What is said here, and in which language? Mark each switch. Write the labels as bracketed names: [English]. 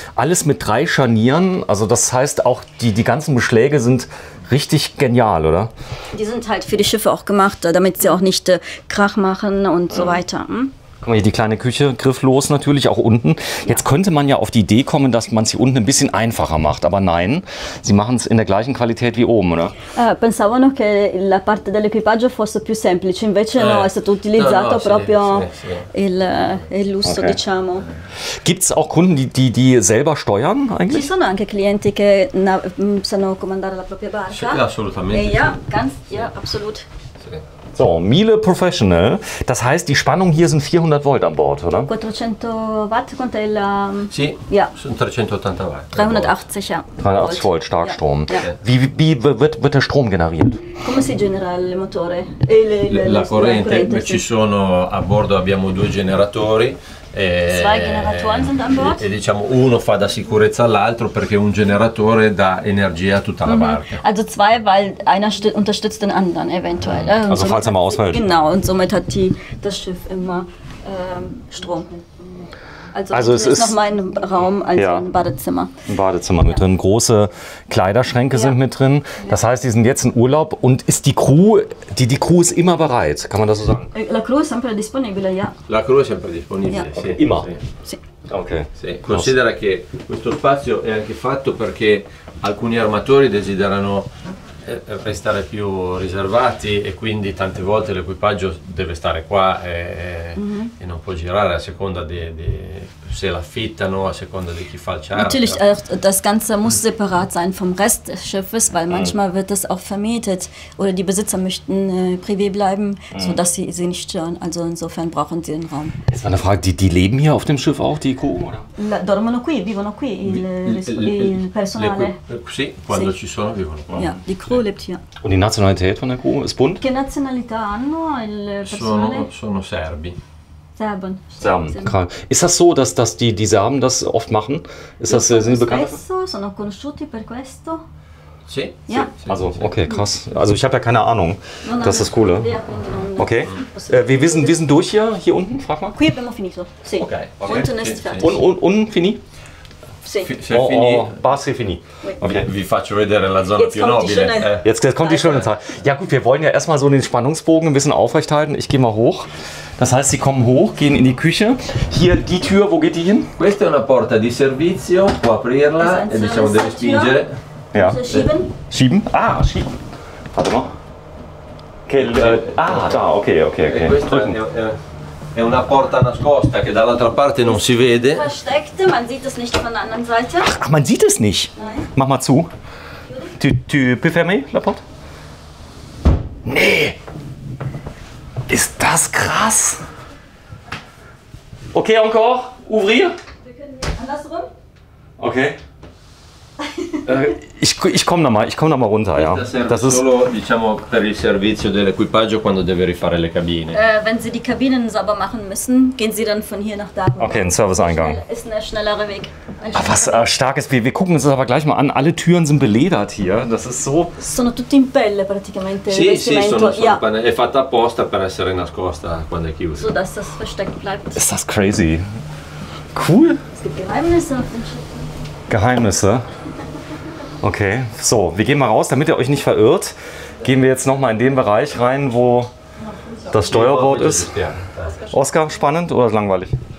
[German] Alles mit drei Scharnieren. Also das heißt auch, die ganzen Beschläge sind richtig genial, oder? Die sind halt für die Schiffe auch gemacht, damit sie auch nicht Krach machen und so weiter. Hm? Guck mal hier, die kleine Küche, grifflos natürlich, auch unten. Jetzt könnte man ja auf die Idee kommen, dass man sie unten ein bisschen einfacher macht. Aber nein, sie machen es in der gleichen Qualität wie oben, oder? [Italian] Pensavano che la parte dell'equipaggio fosse più semplice. Invece no, è stato utilizzato proprio il lusso, diciamo. [German] Gibt es auch Kunden, die selber steuern eigentlich? [Italian] Ci sono anche clienti che sanno comandare la propria barca. Assolutamente. [German] Ja, ganz, ja, absolut. So, Miele Professional, das heißt, die Spannung hier sind 400 Volt an Bord, oder? 400 Watt, konnte er. Ja. 380 Watt. 380, ja. 380 Volt, Starkstrom. Ja. Ja. Wie wird der Strom generiert? [Italian] Come si genera il motore? La corrente, ci sono a bordo, abbiamo due generatori. [German] Zwei Generatoren sind an Bord. [Italian] Uno fa da sicurezza all'altro, perché un generatore dà energia a tutta la barca. [German] Also zwei, weil einer unterstützt den anderen eventuell. Mhm. Also falls er mal ausfällt. Genau, und somit hat das Schiff immer Strom. Also es ist noch mein Raum, also ja, ein Badezimmer. Ein Badezimmer mit drin. Große Kleiderschränke sind mit drin. Das heißt, die sind jetzt in Urlaub. Und ist die Crew, die Crew ist immer bereit? Kann man das so sagen? [Italian] La [German] Crew ist [Italian] sempre disponibile, ja. La [German] Crew ist [Italian] sempre disponibile, ja. Sì. [German] Immer? [Italian] Sì. [German] Okay. [Italian] Sì. Considera che questo spazio è anche fatto perché alcuni armatori desiderano restare più riservati e quindi tante volte l'equipaggio deve stare qua e, e non può girare a seconda di se l'affittano, a seconda di chi fa il charter. [German] Natürlich, das Ganze muss separat sein vom Rest des Schiffes, weil manchmal wird das auch vermietet oder die Besitzer möchten privé bleiben, sodass sie sie nicht stören. Also insofern brauchen sie den Raum. Jetzt war eine Frage, die leben hier auf dem Schiff auch, die Crew, oder? [Italian] Dormono qui, vivono qui, il personale. Sì, quando ci sono, vivono qua. [German] Die Crew lebt hier. Und die Nationalität von der Crew ist bunt? [Italian] Che nazionalità hanno il personale? Sono serbi. [German] Serben. Serben. Ist das so, dass die Serben das oft machen? Ist das sind bekannt? [Italian] Sono conosciuti per questo. Sì. [German] Ja. Also, okay, krass. Also, ich habe ja keine Ahnung. Das ist das Coole. Okay. Wir sind durch hier unten, frag mal. [Italian] Qui abbiamo finito. Sì. [German] Okay. Unten ist fertig. Unten fini? [Italian] Sì. Basi fini. [German] Okay. Wie [Italian] faccio vedere la zona più nobile? [German] Jetzt kommt die schöne Zeit. Ja, gut, wir wollen ja erstmal so den Spannungsbogen ein bisschen aufrecht halten. Ich gehe mal hoch. Das heißt, Sie kommen hoch, gehen in die Küche. Hier die Tür, wo geht die hin? [Italian] Questa è una porta di servizio, può aprirla e diciamo deve spingere. [German] Ja. Schieben? Ah, schieben. Warte mal. Okay. Drücken. [Italian] È una porta nascosta che dall'altra parte non si vede. [German] Versteckte, man sieht es nicht von der anderen Seite. Ach, man sieht es nicht. Nein. Mach mal zu. [French] Tu peux fermer la porte? [German] Nee. Ist das krass? Okay, [French] encore, ouvrir. [German] Wir können hier andersrum. Okay. ich komme noch mal runter, ja. Das ist [Italian] solo, diciamo, per il servizio dell'equipaggio quando deve rifare le cabine. [German] Wenn Sie die Kabinen sauber machen müssen, gehen Sie dann von hier nach da. Okay, ein Serviceeingang. Ist ein schnellerer Weg. Ah, was starkes. Wir gucken uns das aber gleich mal an. Alle Türen sind beledert hier. Das ist so. [Italian] Sono tutti in pelle praticamente. Sì, sì, sono. È fatta apposta per essere nascosta quando è chiuso. [German] So dass das versteckt bleibt. Ist das crazy? Cool. Es gibt Geheimnisse auf dem Schiff. Geheimnisse. Okay, so, wir gehen mal raus, damit ihr euch nicht verirrt. Gehen wir jetzt nochmal in den Bereich rein, wo das Steuerbord ist. Oscar, spannend oder langweilig?